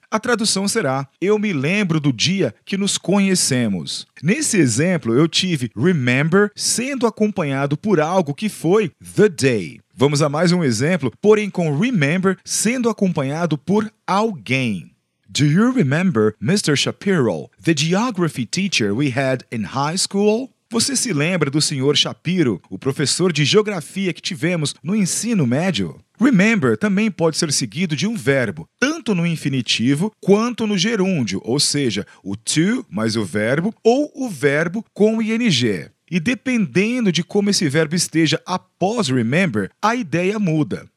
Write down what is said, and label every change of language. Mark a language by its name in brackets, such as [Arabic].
[Portuguese] A tradução será, eu me lembro do dia que nos conhecemos. Nesse exemplo, eu tive remember sendo acompanhado por algo que foi the day. Vamos a mais um exemplo, porém com remember sendo acompanhado por alguém. [English] Do you remember Mr. Shapiro, the geography teacher we had in high school? [Portuguese] Você se lembra do Sr. Shapiro, o professor de geografia que tivemos no ensino médio? Remember também pode ser seguido de um verbo, tanto no infinitivo quanto no gerúndio, ou seja, o to mais o verbo ou o verbo com ing. E dependendo de como esse verbo esteja após remember, a ideia muda.